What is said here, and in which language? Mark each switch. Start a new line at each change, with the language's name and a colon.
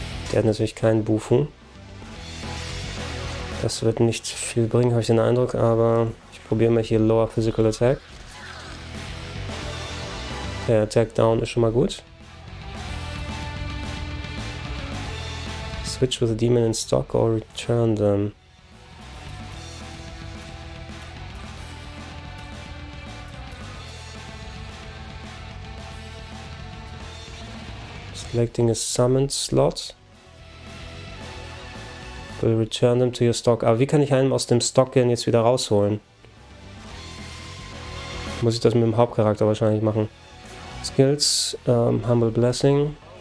German: Der hat natürlich keinen Buffen. Das wird nicht viel bringen, habe ich den Eindruck, aber ich probiere mal hier Lower Physical Attack. Der Attack Down ist schon mal gut.
English: Switch with a demon in stock or return them. Selecting a summon slot. Will return them to your stock.
German: Aber wie kann ich einen aus dem Stock gehen jetzt wieder rausholen? Muss ich das mit dem Hauptcharakter wahrscheinlich machen.
English: Skills, Humble Blessing.